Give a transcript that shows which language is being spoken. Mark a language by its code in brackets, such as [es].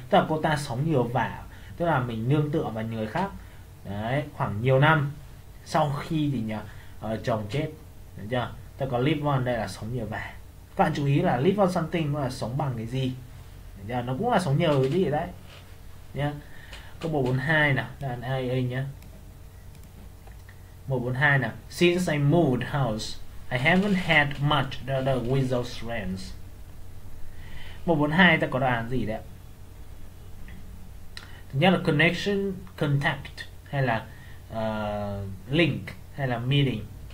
[vi] Tức là cô ta sống nhờ vả, tức là mình nương tựa vào người khác. Đấy, khoảng nhiều năm sau khi thì nhờ chồng chết. Được chưa? Tức có live on đây là sống nhờ vả. Các bạn chú ý là [en] live on something [vi] là sống bằng cái gì, nhá, nó cũng là sống nhờ cái gì đấy nhá. Câu 142 nè, đàn AA nhá, 142 nè: [en] Since I moved house, I haven't had much trouble with those friends. [vi] 142 ta có đáp án gì đấy? Thứ nhất là connection, contact, hay là link, hay là meeting.